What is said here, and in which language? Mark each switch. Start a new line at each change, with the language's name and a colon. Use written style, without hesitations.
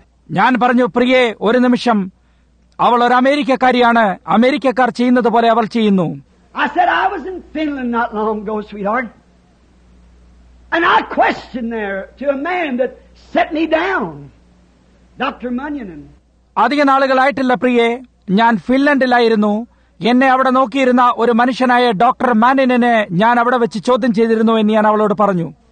Malayalam: ഞാൻ പറഞ്ഞു, പ്രിയെ ഒരു നിമിഷം, അവൾ ഒരു അമേരിക്കക്കാരിയാണ്, അമേരിക്കക്കാർ ചെയ്യുന്നത് പോലെ അവൾ ചെയ്യുന്നു.
English: I said, I was in Finland not long ago, sweetheart. And I questioned there to a man that set me down, Dr. Munyanen.
Malayalam: Adhiga naalukalayittulla priye, njan Finlandilayirunnu. എന്നെ അവിടെ നോക്കിയിരുന്ന ഒരു മനുഷ്യനായ ഡോക്ടർ മാനിനെ ഞാൻ അവിടെ വെച്ച് ചോദ്യം ചെയ്തിരുന്നു എന്ന് ഞാൻ അവളോട് പറഞ്ഞു.